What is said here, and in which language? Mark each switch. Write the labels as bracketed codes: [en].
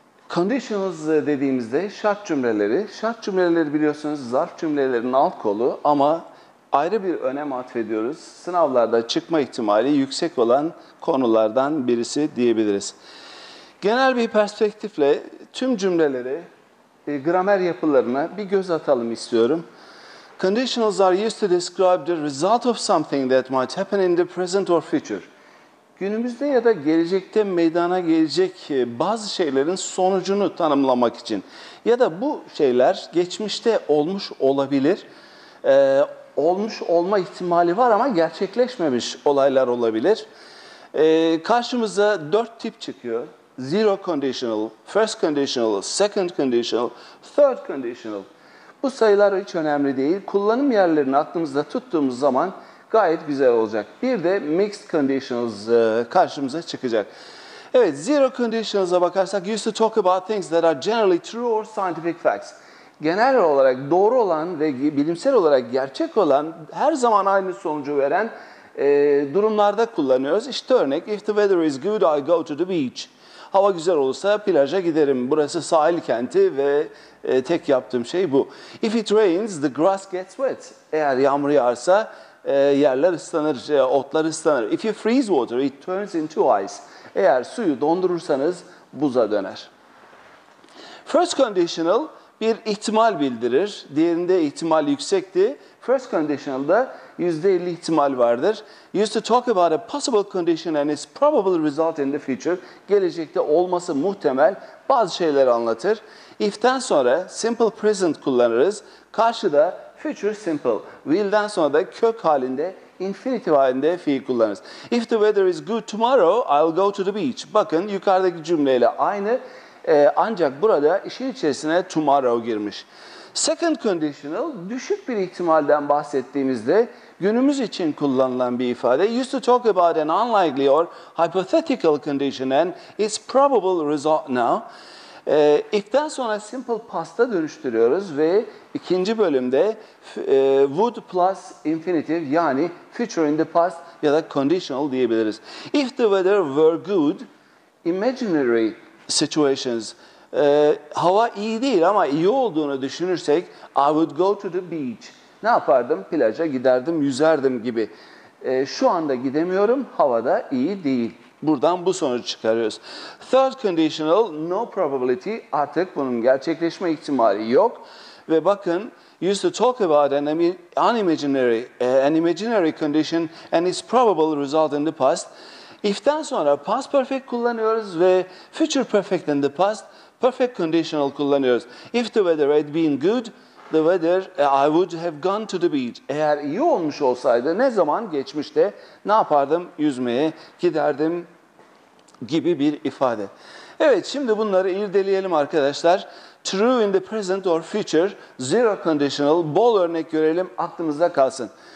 [tr] Conditionals dediğimizde şart cümleleri. Şart cümleleri biliyorsunuz zarf cümlelerin alt kolu ama ayrı bir önem atfediyoruz. Sınavlarda çıkma ihtimali yüksek olan konulardan birisi diyebiliriz. Genel bir perspektifle tüm cümleleri, gramer yapılarına bir göz atalım istiyorum. [en] Conditionals are used to describe the result of something that might happen in the present or future. [tr] Günümüzde ya da gelecekte meydana gelecek bazı şeylerin sonucunu tanımlamak için. Ya da bu şeyler geçmişte olmuş olabilir, olmuş olma ihtimali var ama gerçekleşmemiş olaylar olabilir. Karşımıza dört tip çıkıyor. Zero conditional, first conditional, second conditional, third conditional. Bu sayılar hiç önemli değil. Kullanım yerlerini aklımızda tuttuğumuz zaman gayet güzel olacak. Bir de mixed conditionals karşımıza çıkacak. Evet, zero conditionals'a bakarsak [en] used to talk about things that are generally true or scientific facts. [tr] Genel olarak doğru olan ve bilimsel olarak gerçek olan, her zaman aynı sonucu veren durumlarda kullanıyoruz. İşte örnek, [en] if the weather is good, I go to the beach. [tr] Hava güzel olursa plaja giderim. Burası sahil kenti ve tek yaptığım şey bu. [en] If it rains, the grass gets wet. [tr] Eğer yağmur yağarsa yerler ıslanır, otlar ıslanır. [en] If you freeze water, it turns into ice. [tr] Eğer suyu dondurursanız buza döner. First conditional bir ihtimal bildirir. Diğerinde ihtimal yüksekti. First conditional'da %50 ihtimal vardır. [en] Used to talk about a possible condition and its probable result in the future. [tr] Gelecekte olması muhtemel bazı şeyleri anlatır. If'ten sonra simple present kullanırız. Karşıda future simple. Will'den sonra da kök halinde, infinitive halinde fiil kullanırız. [en] If the weather is good tomorrow, I'll go to the beach. [tr] Bakın yukarıdaki cümleyle aynı. Ancak burada işin içerisine tomorrow girmiş. Second conditional, düşük bir ihtimalden bahsettiğimizde günümüz için kullanılan bir ifade. [en] Used to talk about an unlikely or hypothetical condition and its probable result now. [tr] If'ten sonra simple past'a dönüştürüyoruz ve ikinci bölümde would plus infinitive yani future in the past ya da conditional diyebiliriz. [en] If the weather were good, imaginary situations. [tr] Hava iyi değil ama iyi olduğunu düşünürsek [en] I would go to the beach. [tr] Ne yapardım? Plaja giderdim, yüzerdim gibi. Şu anda gidemiyorum, hava da iyi değil. Buradan bu sonucu çıkarıyoruz. Third conditional, no probability. Artık bunun gerçekleşme ihtimali yok. Ve bakın, [en] used to talk about an imaginary condition and its probable result in the past. [tr] If'ten sonra past perfect kullanıyoruz ve future perfect in the past. [en] Perfect conditional [tr] kullanıyoruz. [en] If the weather had been good, the weather, I would have gone to the beach. [tr] Eğer iyi olmuş olsaydı ne zaman geçmişte ne yapardım? Yüzmeye giderdim gibi bir ifade. Evet, şimdi bunları irdeleyelim arkadaşlar. [en] True in the present or future, [tr] zero conditional, bol örnek görelim, aklımızda kalsın.